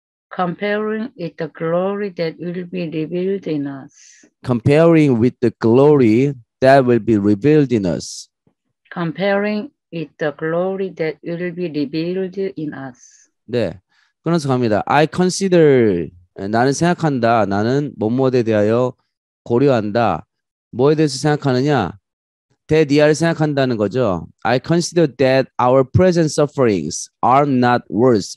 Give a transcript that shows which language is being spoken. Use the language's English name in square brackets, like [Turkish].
[English] Comparing with the glory that will be revealed in us. Comparing with the glory that will be revealed in us. Comparing with the glory that will be revealed in us. [Korean] 네, 끊어서 갑니다. [English] I consider, [Korean] 나는 생각한다. 나는 뭐뭐에 대하여 고려한다. 뭐에 대해서 생각하느냐? That 이하를 생각한다는 거죠. [English] I consider that our present sufferings are not worse.